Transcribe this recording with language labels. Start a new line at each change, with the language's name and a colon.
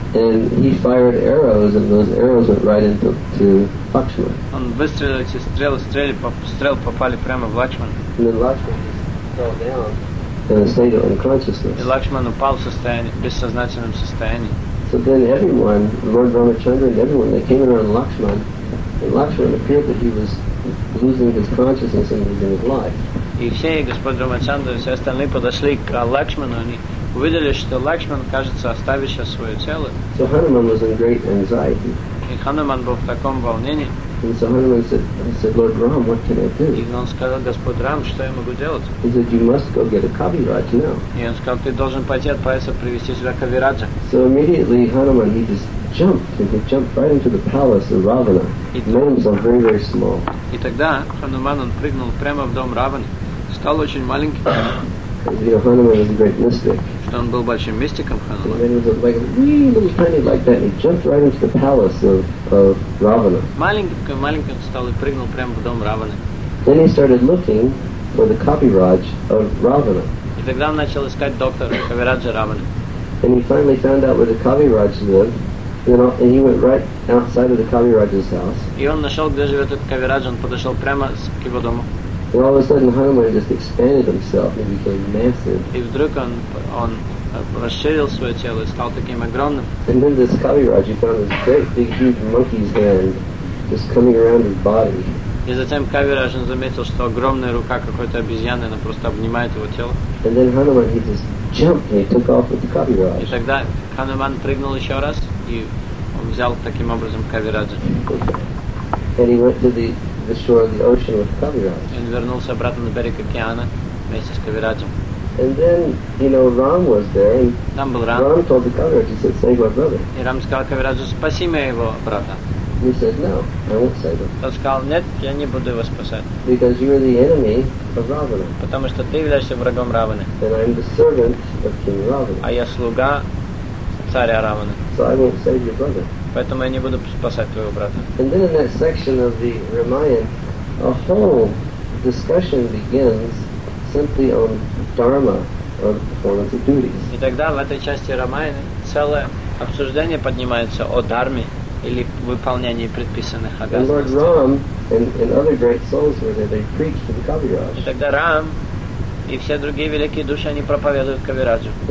English: And he fired arrows, and those arrows went right into Lakshman.
Russian: Он выстрелил эти стрелы попали прямо в Лакшмана.
English: And then Lakshman fell down in a state of unconsciousness.
Russian: И Лакшман упал в состоянии, бессознательном состоянии.
English: So then everyone, Lord Ramachandra and everyone, they came around Lakshman, and Lakshman appeared that he was losing his consciousness and losing his life.
Russian: И все, и господин Рамачандра, и все остальные подошли к Лакшману, они увидели, что Лакшман, кажется, оставил сейчас свое тело.
English: So Hanuman was in great anxiety.
Russian: И Хануман был в таком волнении.
English: And so Hanuman said, Lord Ram, what can I do?
Russian: И он сказал, Господь Рам, что я могу делать?
English: He said, you must go get a Kaviraj now.
Russian: И он сказал, ты должен пойти отправиться привести сюда Кавираджа.
English: So immediately Hanuman, he just jumped, and he jumped right into the palace of Ravana. Gnomes are very, very small.
Russian: И тогда Хануман, он прыгнул прямо в дом Раваны, стал очень маленьким.
English: Because, you know, Hanuman was a great mystic.
Russian: Что он был большим мистиком, Хануман.
English: And then he was like a wee little tiny like that, and he jumped right into the palace of Ravana.
Russian: Маленьким стал и прыгнул прямо в дом Раваны.
English: Then he started looking for the Kaviraj of Ravana.
Russian: И тогда он начал искать доктора Кавираджа Раваны.
English: And he finally found out where the Kaviraj lived. You know, and he went right outside of the Kaviraj's house.
Russian: И он нашел, где живет этот Кавирадж, он подошел прямо к его дому.
English: And all of a sudden, Hanuman just expanded himself and became massive.
Russian: И вдруг он расширил свое тело и стал таким огромным.
English: And then this Kaviraj, he found this great big huge monkey's hand just coming around his body.
Russian: И затем Кавирадж заметил, что огромная рука какой-то обезьяны, она просто обнимает его тело.
English: And then Hanuman, he just jumped and he took off with the Kaviraj.
Russian: И тогда Хануман прыгнул еще раз. И он взял таким образом Кавираджа.
English: And he went to the shore of the ocean with Kaviraj.
Russian: И он вернулся обратно на берег океана вместе с Кавираджем.
English: And then, you know, Ram was there. And
Russian: там был Рам.
English: Ram told the Kaviraj, he said, save my brother.
Russian: И Рам сказал Кавираджу, спаси моего брата.
English: He said, no, I won't save him.
Russian: Он сказал, нет, я не буду его спасать.
English: Because you are the enemy of Ravana.
Russian: Потому что ты являешься врагом Раваны.
English: And I'm the servant of King Ravana.
Russian: А я слуга царя Раваны.
English: So I won't save your brother.
Russian: Поэтому я не буду спасать твоего брата.
English: And then in that section of the Ramayana, a whole discussion begins simply on dharma, on performance of duties.
Russian: И тогда в этой части Рамаяны целое обсуждение поднимается о дарме или выполнении предписанных обязанностей.
English: And Lord Ram and other great souls were there. They preached to the Kaviraj.
Russian: И тогда Рам и все другие великие души, они проповедуют Кавираджу.